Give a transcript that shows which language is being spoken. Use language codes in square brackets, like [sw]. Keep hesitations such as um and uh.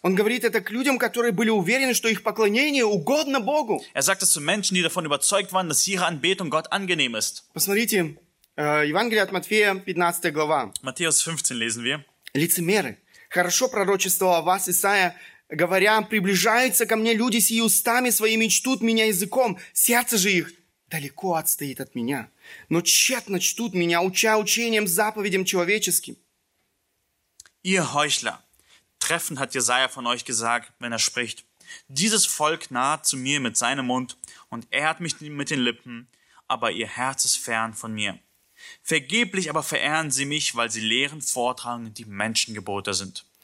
[ru] Он говорит это к людям, которые были уверены, что их поклонение угодно Богу. [de] Er sagt es zu Menschen, die davon überzeugt waren, dass ihre Anbetung Gott angenehm ist. [ru] Посмотрите, äh, Евангелие от Матфея, 15 глава. [de] Matthäus 15 lesen wir. [ru] Лицемеры. Хорошо пророчествовал вас, Исаия, говоря, приближаются ко мне люди с устами своими, чтут меня языком. Сердце же их далеко отстоит от меня, но тщетно чтут меня, уча учением заповедям человеческим. [de] Ihr Heuchler, treffend hat Jesaja von euch gesagt, wenn er spricht, dieses Volk naht zu mir mit seinem Mund und ehrt mich mit den Lippen, aber ihr Herz ist fern von mir. Vergeblich aber verehren sie mich, weil sie lehren vortragen, die Menschengebote sind.